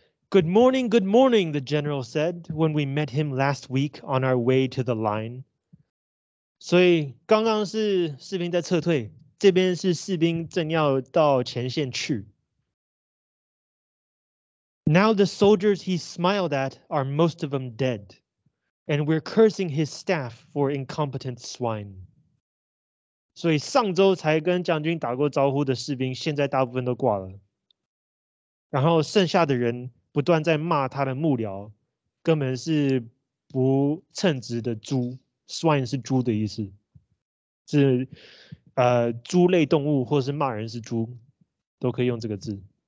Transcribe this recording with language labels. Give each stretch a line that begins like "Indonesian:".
English: Good morning, good morning, the general said when we met him last week on our way to the line.
Chinese: 所以刚刚是士兵在撤退，这边是士兵正要到前线去。
English: Now the soldiers he smiled at are most of them dead, and we're cursing his staff for incompetent swine.
Chinese: 所以上周才跟将军打过招呼的士兵现在大部分都挂了，然后剩下的人不断在骂他的幕僚根本是不称职的猪。 swine 是猪的意思，是猪类动物，或是骂人是猪都可以用这个字。